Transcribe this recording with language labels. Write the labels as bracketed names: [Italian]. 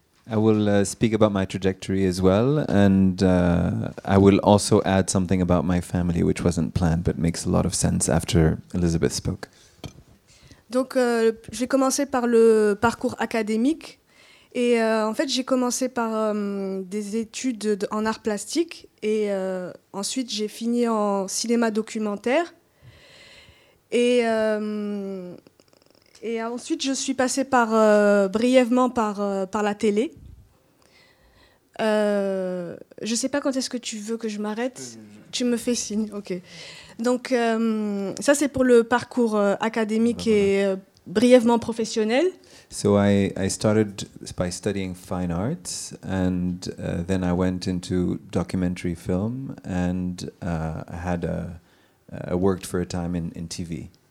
[English] I will speak about my trajectory as well, and I will also add something about my family, which wasn't planned, but makes a lot of sense after Elizabeth spoke. [French] Donc, j'ai commencé par le parcours académique, et en fait, j'ai commencé par des études en arts plastiques, et ensuite, j'ai fini en cinéma documentaire, et ensuite, je suis passée par brièvement par la télé. Je ne sais pas quand est-ce que tu veux que je m'arrête. Tu me fais signe, ok. Donc, ça, c'est pour le parcours académique et brièvement professionnel. [English] So I started by studying fine arts, and then I went into documentary film, and I worked for a time in TV.